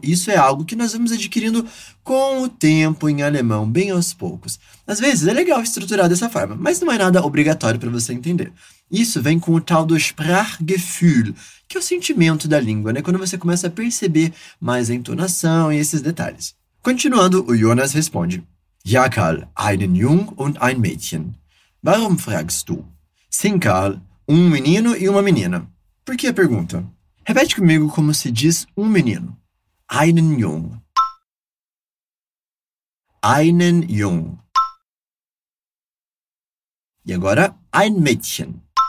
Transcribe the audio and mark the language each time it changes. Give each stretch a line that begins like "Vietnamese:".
Portuguese: Isso é algo que nós vamos adquirindo com o tempo em alemão, bem aos poucos. Às vezes é legal estruturar dessa forma, mas não é nada obrigatório para você entender. Isso vem com o tal do Sprachgefühl, que é o sentimento da língua, né? Quando você começa a perceber mais a entonação e esses detalhes. Continuando, o Jonas responde.
German: Ja, Karl, einen Jung und ein Mädchen. Warum fragst du?
Portuguese: Sim, Karl, um menino e uma menina. Por que a pergunta? Repete comigo como se diz um menino.
German: Einen Jung. Einen Jung.
Portuguese: E agora,
German: ein Mädchen.